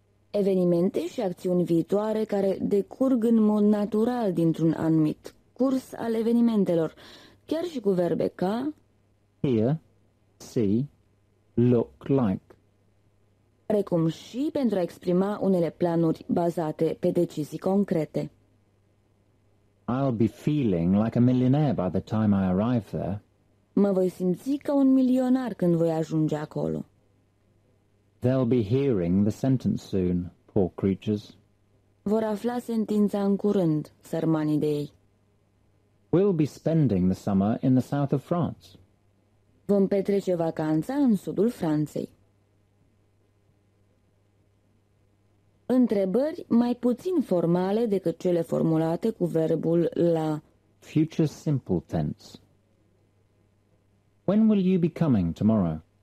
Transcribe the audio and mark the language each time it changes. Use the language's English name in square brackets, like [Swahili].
[Romanian] Evenimente și acțiuni viitoare care decurg în mod natural dintr-un anumit curs al evenimentelor, chiar și cu verbe ca [English] hear, see, look like. [Romanian] Precum și pentru a exprima unele planuri bazate pe decizii concrete. [English] I'll be feeling like a millionaire by the time I arrive there. [Romanian] Mă voi simți ca un milionar când voi ajunge acolo. [English] They'll be hearing the sentence soon, poor creatures. [Romanian] Vor afla sentința în curând, sărmanii de ei. [English] We'll be spending the summer in the south of France. [Romanian] Vom petrece vacanța în sudul Franței. Întrebări mai puțin formale decât cele formulate cu verbul la. [English] Future simple tense. When will you be coming tomorrow?